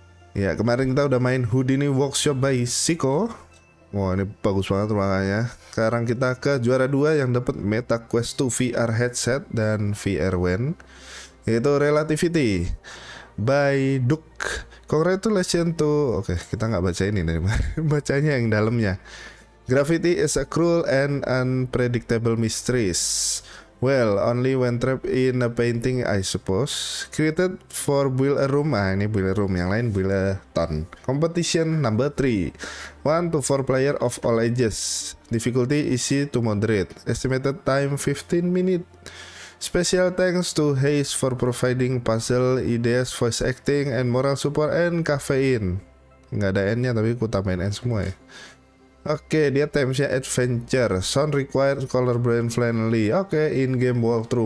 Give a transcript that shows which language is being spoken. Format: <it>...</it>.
<id>Ya, kemarin kita udah main Houdini Workshop by Siko. Wah, ini bagus banget ruangannya. Sekarang kita ke juara 2 yang dapat Meta Quest 2 VR Headset dan VR Wand, yaitu Relativity by Duke.</id> <en>Congratulations to...</en> <id>Oke, kita nggak baca ini nih. Bacanya yang dalamnya.</id> <en>Gravity is a cruel and unpredictable mistress. Well, only when trapped in a painting, I suppose. Created for build a room.</en> <id>Ah, ini build a room. Yang lain build a ton.</id> <en>Competition number 3. 1 to 4 player of all ages. Difficulty easy to moderate. Estimated time 15 minutes. Special thanks to Hayes for providing puzzle ideas, voice acting, and moral support, and caffeine.</en> <id>Nggak ada N-nya, tapi aku tambahin N semua ya. Oke, dia themes-nya adventure.</id> <en>Sound required, color brand friendly. Oke, in-game walkthrough.</en>